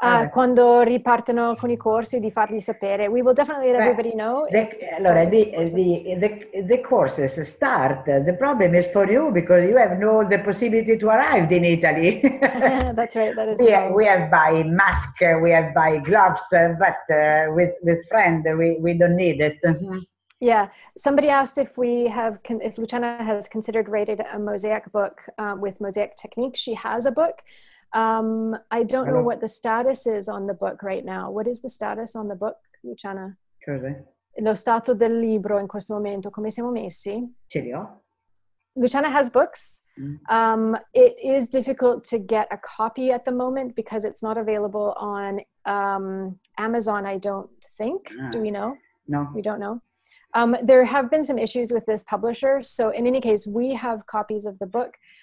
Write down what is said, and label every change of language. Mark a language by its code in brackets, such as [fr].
[it] Quando ripartono con I corsi, di fargli sapere. [en] We will definitely let everybody know. The courses start. The problem is for you because you have no the possibility to arrive in Italy. That's right. That is. Yeah, we have by mask. We have by gloves. But with friend, we don't need it. Mm-hmm. Yeah, somebody asked if Luciana has considered writing a mosaic book with mosaic techniques. She has a book. I don't know what the status is on the book right now. What is the status on the book, Luciana? [it] Cos'è? Lo stato del libro in questo momento, come siamo messi? Ce li ho. [en] Luciana has books. It is difficult to get a copy at the moment because it's not available on Amazon, I don't think. No. Do we know? No. We don't know. There have been some issues with this publisher. So in any case, we have copies of the book.